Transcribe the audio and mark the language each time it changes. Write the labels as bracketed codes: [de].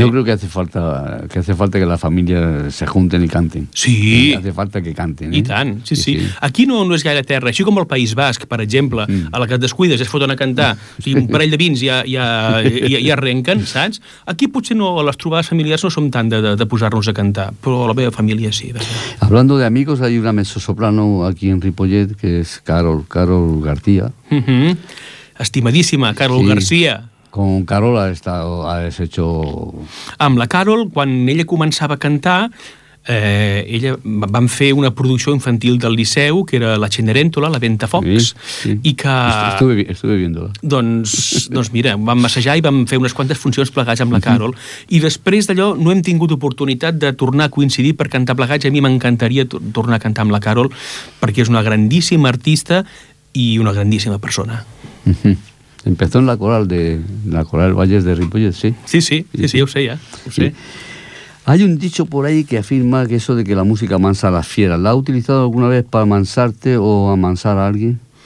[es] Yo creo que hace falta que la família se junten [ca] i canten. [es] Sí. Hace falta que canten, eh? Sí. [ca] Aquí no és gaire terra, així com el País Basc, per exemple, a la que et descuides es foten a cantar, o sigui, un parell de vins ja arrenquen, saps? Aquí potser no, les trobades familiars no som tant de posar-nos a cantar, però la meva família sí. [es] Hablando de amigos, hay una mezzosoprano aquí en Ripollet que es Carol García. [ca] Uh-huh. Estimadíssima, Carol, sí. García. [es] Con Carol has hecho... [ca] Amb la Carol, quan ella començava a cantar, ella van fer una producció infantil del Liceu, que era La Cenerentola, La Ventafocs, sí, sí. I que... [es] Estuve viéndola. [ca] Doncs mira, vam assajar i vam fer unes quantes funcions plegats amb la Carol. I després d'allò no hem tingut oportunitat de tornar a coincidir per cantar plegats. A mi m'encantaria tornar a cantar amb la Carol, perquè és una grandíssima artista i una grandíssima persona. [es] Empezó en la coral Valles de Ripollet, sí. [ca] Sí, sí, sí, sí, ho sé ja, ho sé. Sí. [es] Hay un dicho por ahí que afirma que eso de que la música amansa a las fieras, ¿la ha utilizado alguna vez para amansarte o amansar a alguien?